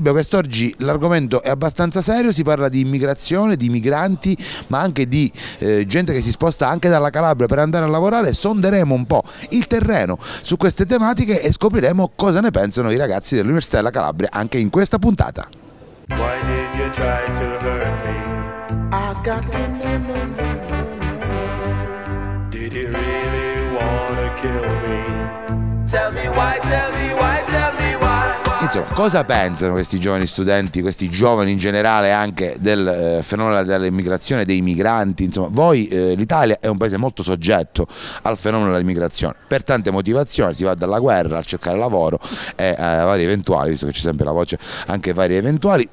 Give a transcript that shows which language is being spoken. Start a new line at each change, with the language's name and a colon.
Italian: Beh, quest'oggi l'argomento è abbastanza serio, si parla di immigrazione, di migranti, ma anche di gente che si sposta anche dalla Calabria per andare a lavorare. Sonderemo un po' il terreno su queste tematiche e scopriremo cosa ne pensano i ragazzi dell'Università della Calabria anche in questa puntata.
English: Why did you try to hurt me? I got to Did he really wanna kill me? Tell me why, tell me why, tell me why.
Italian: Insomma, cosa pensano questi giovani studenti, questi giovani in generale anche del fenomeno dell'immigrazione, dei migranti? Insomma, voi, l'Italia è un paese molto soggetto al fenomeno dell'immigrazione, per tante motivazioni, si va dalla guerra a cercare lavoro e a vari eventuali, visto che c'è sempre la voce, anche vari eventuali.